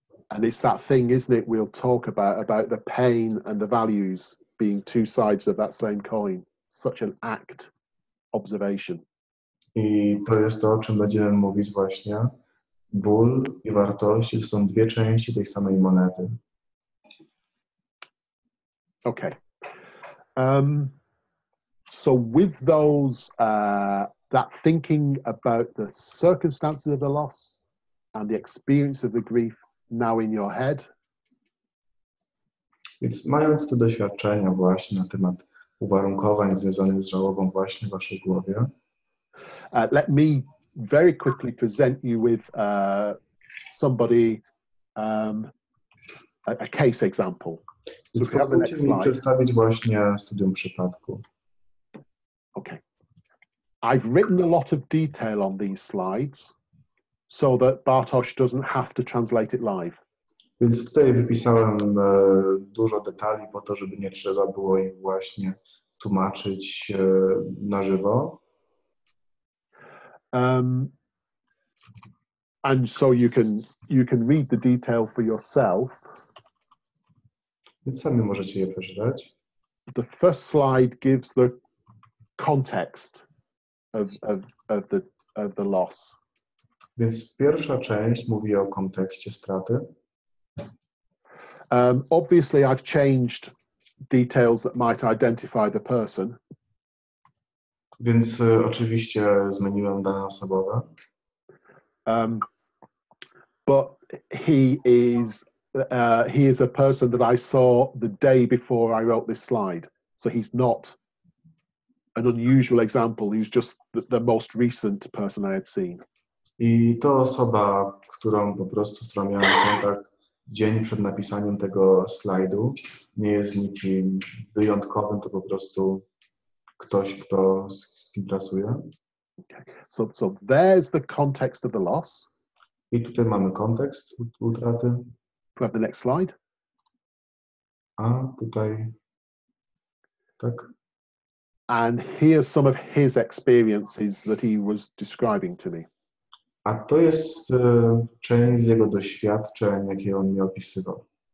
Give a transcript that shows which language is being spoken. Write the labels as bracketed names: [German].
[English] And it's that thing, isn't it, we'll talk about the pain and the values being two sides of that same coin. Such an ACT observation. [Polish] I to jest to, o czym będziemy mówić właśnie. Ból i wartości są dwie części tej samej monety. [English] Okay. So with those, that thinking about the circumstances of the loss and the experience of the grief now in your head. [Polish] Więc mając te doświadczenia właśnie na temat uwarunkowań związanych z żałobą właśnie w waszej głowie. [English] Let me very quickly present you with somebody, a case example. [Polish] Więc pozwólcie mi przedstawić właśnie studium przypadku. [English] Okay. I've written a lot of detail on these slides so that Bartosz doesn't have to translate it live. [Polish] Więc tutaj wypisałem dużo detali po to, żeby nie trzeba było im właśnie tłumaczyć na żywo. [English] And so you can read the detail for yourself. [Polish] Więc sami możecie je przeczytać. [English] The first slide gives the context of the loss. [Polish] Więc pierwsza część mówi o kontekście straty. [English] Obviously, I've changed details that might identify the person. [Polish] Więc oczywiście zmieniłem dane osobowe. [English] But he is a person that I saw the day before I wrote this slide. So he's not an unusual example. He's just the most recent person I had seen. [Polish] I to osoba, którą po prostu, z którą miałem kontakt dzień przed napisaniem tego slajdu, nie jest nikim wyjątkowym, to po prostu ktoś, kto z kim pracuje. [English] Okay. So there's the context of the loss. [Polish] I tutaj mamy kontekst utraty. [English] We have the next slide. [Polish] A tutaj, tak. [English] And here's some of his experiences that he was describing to me. [Polish] A to jest część z jego doświadczeń, jakie on mi opisywał.